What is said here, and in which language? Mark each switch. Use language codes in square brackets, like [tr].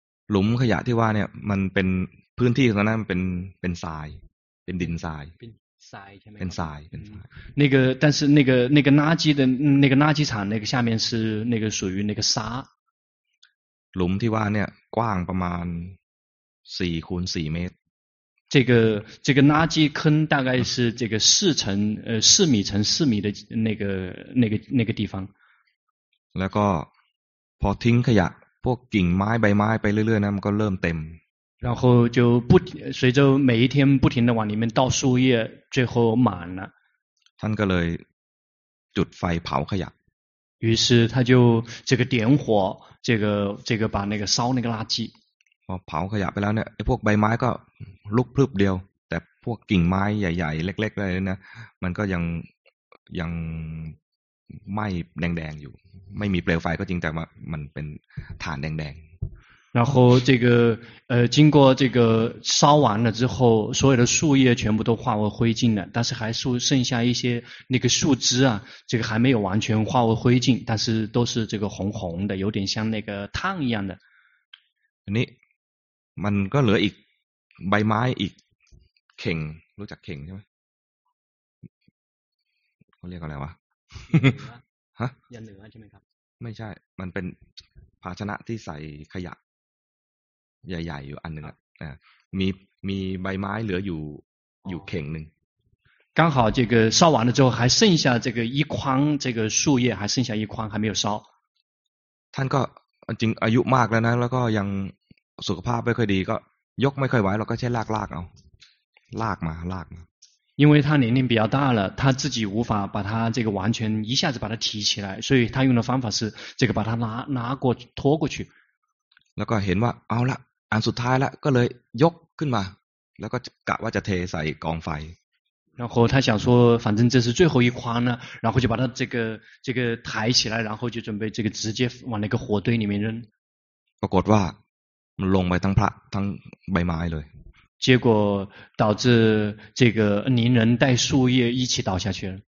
[th] หลุมขยะที่ว่าเนี่ยมันเป็นพื้นที่ตรงนั้นเป็นทรายเป็นดินทราย เป็น ทรายเป็น ทราย [zh] 那个但是那个垃圾的那个垃圾场那个下面是那个属于那个沙 [th] หลุมที่ว่าเนี่ยกว้างประมาณ4คูณ4เมตร [zh] 这个垃圾坑大概是这个4米乘4米的那个地方 [th] แล้วก็พอทิ้งขยะพวกกิ่งไม้ใบไม้ไปเรื่อยๆนะมันก็เริ่มเต็ม [zh] 然后就不随着每一天不停的往里面倒树叶，最后满了。 [th] ท่านก็เลยจุดไฟเผาขยะ。 [zh] 于是他就这个点火，这个把那个烧那个垃圾。 [th] พอเผาขยะไปแล้วเนี่ยไอ้พวกใบไม้ก็ลุกพรึบเดียวแต่พวกกิ่งไม้ใหญ่ๆเล็กๆอะไรนะมันก็ยังไหม้แดงๆอยู่ไม่มีเปลวไฟก็จริงแต่ว่ามันเป็นฐานแดงๆ [zh] 然后这个经过这个烧完了之后，所有的树叶全部都化为灰烬了，但是还剩下一些那个树枝啊，这个还没有完全化为灰烬，但是都是这个红红的，有点像那个炭一样的。 [th] นี่มันก็เหลืออีกใบไม้อีกเข่งรู้จักเข่งใช่ไหมเขาเรียกอะไรวะฮะ ยันเหนือใช่ไหมครับ ไม่ใช่มันเป็นภาชนะที่ใส่ขยะใหญ่ๆอยู่อันนึงมีใบไม้เหลืออยู่เข่งนึง [zh] 刚好这个烧完了之后还剩下这个一筐这个树叶还剩下一筐还没有烧 [th] ท่านก็จริงอายุมากแล้วนะแล้วก็ยังสุขภาพไม่ค่อยดีก็ยกไม่ค่อยไหวเราก็ใช้ลากเอาลากมา [zh] 因为他年龄比较大了，他自己无法把他这个完全一下子把他提起来，所以他用的方法是这个把他拿过拖过去。然后看到 [th] เอาละอันสุดท้ายละก็เลยยกขึ้นมาแล้วก็กะว่าจะเทใส่กองไฟ。 [zh] 然后他想说，反正这是最后一筐呢，然后就把他这个抬起来，然后就准备这个直接往那个火堆里面扔。 [th] ปรากฏว่ามันลงไปทั้งพระทั้งใบไม้เลย。 [zh] 结果导致这个邻人带树叶一起倒下去了。